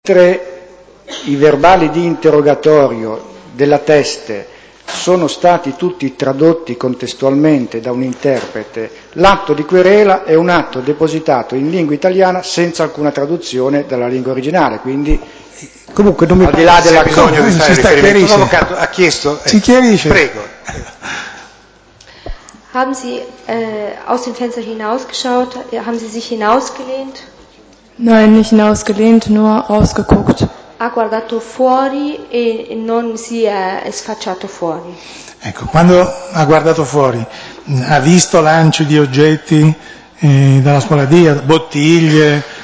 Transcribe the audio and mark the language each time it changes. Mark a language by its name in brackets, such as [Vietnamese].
[Italian] mentre i verbali di interrogatorio della teste sono stati tutti tradotti contestualmente da un interprete, l'atto di querela è un atto depositato in lingua italiana senza alcuna traduzione dalla lingua originale, quindi comunque non mi al di là della bisogno di fare riferimento, l'avvocato ha chiesto, si chiarisce, prego. [German] Haben Sie aus dem Fenster hinausgeschaut? Haben Sie sich hinausgelehnt? Nein, nicht hinausgelehnt, nur rausgeguckt. [Italian] Ha guardato fuori e non si è sfacciato fuori. Ecco, quando ha guardato fuori, ha visto lanci di oggetti dalla spalatia, bottiglie,